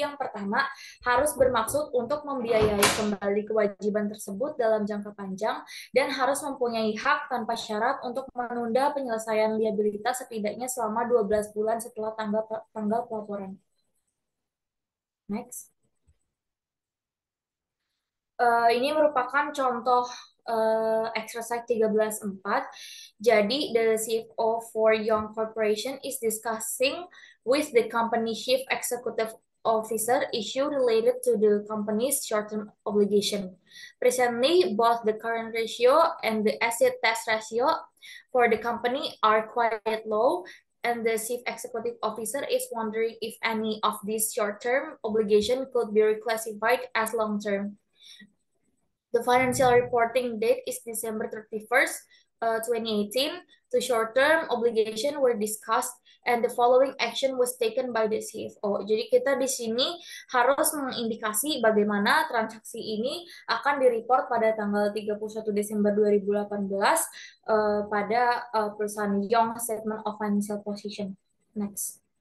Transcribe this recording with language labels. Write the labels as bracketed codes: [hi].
[id] Yang pertama, harus bermaksud untuk membiayai kembali kewajiban tersebut dalam jangka panjang dan harus mempunyai hak tanpa syarat untuk menunda penyelesaian liabilitas setidaknya selama 12 bulan setelah tanggal pelaporan. [en] Next. [id] Ini merupakan contoh exercise 13.4. [en] Jadi, the CFO for Young Corporation is discussing with the company chief executive officer issue related to the company's short-term obligation. Presently, both the current ratio and the asset test ratio for the company are quite low, and the chief executive officer is wondering if any of these short-term obligation could be reclassified as long-term. The financial reporting date is December 31st, 2018. The short-term obligation were discussed, and the following action was taken by the CFO. [id] Jadi kita di sini harus mengindikasi bagaimana transaksi ini akan direport pada tanggal 31 Desember 2018, pada perusahaan Young Statement of Financial Position. Next.